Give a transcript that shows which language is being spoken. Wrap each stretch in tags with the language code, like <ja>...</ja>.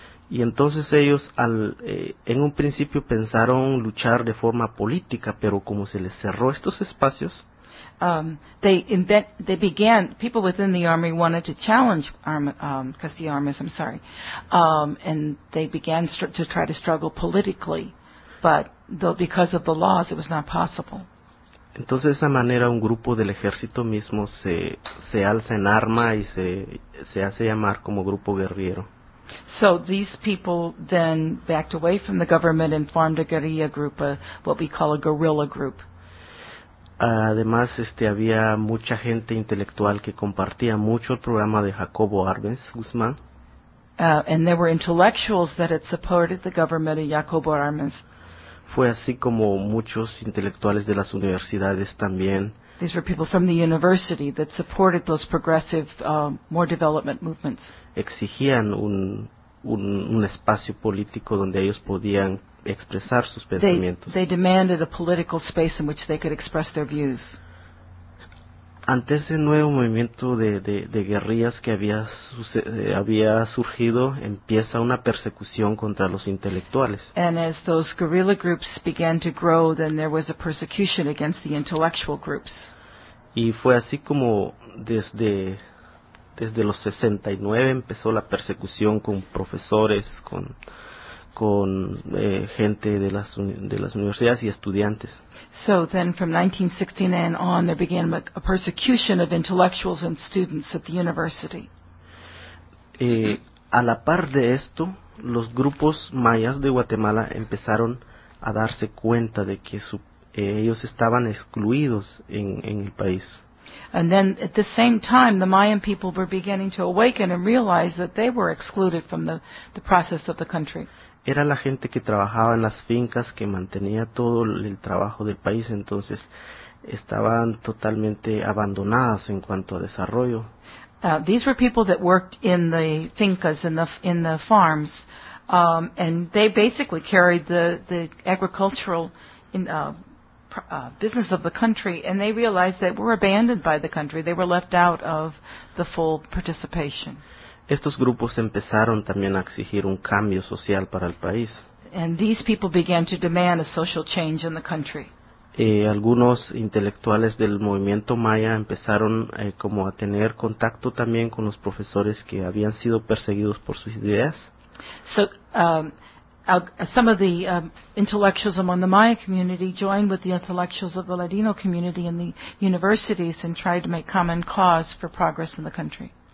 <es>Y entonces ellos en un principio pensaron luchar de forma política, pero como se les cerró estos espacios,</es> <en>people within the army wanted to challenge Castillo Armas, and they began to try to struggle politically, but because of the laws, it was not possible.</en> <es>Entonces de esa manera un grupo del ejército mismo se alza en arma y se hace llamar como grupo guerrillero.</es> <en>So these people then backed away from the government and formed a guerrilla group, what we call a guerrilla group.</en> <es>Además, había mucha gente intelectual que compartía mucho el programa de Jacobo Arbenz Guzmán.</es> <en>And there were intellectuals that had supported the government of Jacobo Arbenz.</en> <es>Fue así como muchos intelectuales de las universidades también.</es> <en>These were people from the university that supported those progressive, more development movements.</en> <es>Exigían un espacio político donde ellos podían expresar sus pensamientos.</es> <en>They demanded a political space in which they could express their views.</en> <es>Ante ese nuevo movimiento de guerrillas que había surgido, empieza una persecución contra los intelectuales.</es> <en>And as those guerrilla groups began to grow, then there was a persecution against the intellectual groups.</en> <es>Y fue así como desde los 69 empezó la persecución con profesores, con gente de las universidades y estudiantes.</es> <en>So then from 1969 on there began a persecution of intellectuals and students at the university.</en> <es>A la par de esto, los grupos mayas de Guatemala empezaron a darse cuenta de que ellos estaban excluidos en el país.</es> <en>And then at the same time the Mayan people were beginning to awaken and realize that they were excluded from the process of the country.</en> <es>Era la gente que trabajaba en las fincas, que mantenía todo el trabajo del país, entonces estaban totalmente abandonadas en cuanto a desarrollo.</es> <en>These were people that worked in the fincas, in the farms, and they basically carried the agricultural business of the country, and they realized that were abandoned by the country. They were left out of the full participation.</en> <es>Estos grupos empezaron también a exigir un cambio social para el país.</es> <en>And these people began to demand a social change in the country.</en> <es>Algunos intelectuales del movimiento maya empezaron como a tener contacto también con los profesores que habían sido perseguidos por sus ideas.</es> <en>Some of the intellectuals among the Maya community joined with the intellectuals of the Ladino community in the universities and tried to make common cause for progress in the country.</en>